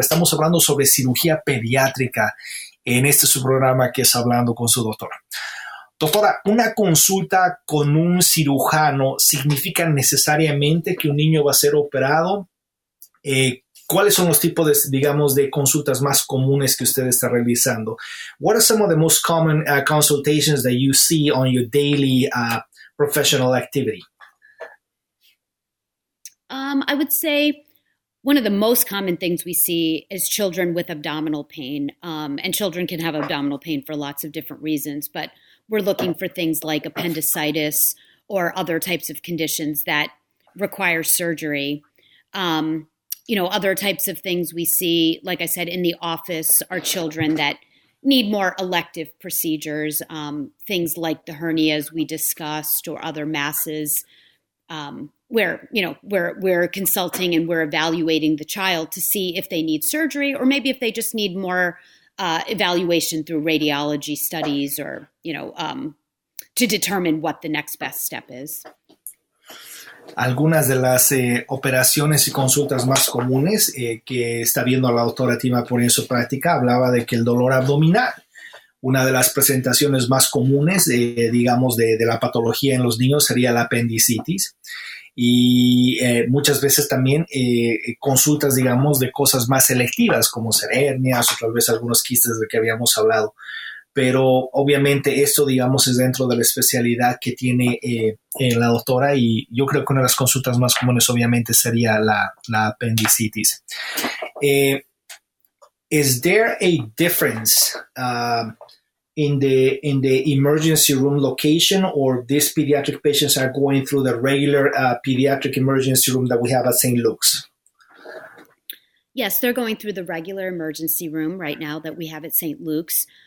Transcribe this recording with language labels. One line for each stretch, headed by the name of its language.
Spanish: Estamos hablando sobre cirugía pediátrica en este subprograma que es Hablando con su Doctora. Doctora, ¿una consulta con un cirujano significa necesariamente que un niño va a ser operado? ¿Cuáles son los tipos de, digamos, de consultas más comunes que usted está realizando?
English: What are some of the most common consultations that you see on your daily professional activity? I would say one of the most common things we see is children with abdominal pain. And children can have abdominal pain for lots of different reasons, but we're looking for things like appendicitis or other types of conditions that require surgery. Other types of things we see, like I said, in the office are children that need more elective procedures, things like the hernias we discussed or other masses where we're consulting and we're evaluating the child to see if they need surgery or maybe if they just need more evaluation through radiology studies or, to determine what the next best step is.
Spanish: algunas de las operaciones y consultas más comunes que está viendo la doctora Tima por en su práctica. Hablaba de que el dolor abdominal, una de las presentaciones más comunes, digamos, de la patología en los niños sería la apendicitis. Y muchas veces también consultas, digamos, de cosas más selectivas, como ser hernias o tal vez algunos quistes de que habíamos hablado. Pero obviamente esto, digamos, es dentro de la especialidad que tiene la doctora, y yo creo que una de las consultas más comunes obviamente sería la apendicitis.
English: Is there a difference in the emergency room location, or these pediatric patients are going through the regular pediatric emergency room that we have at St. Luke's? Yes, they're going through the regular emergency room right now that we have at St. Luke's.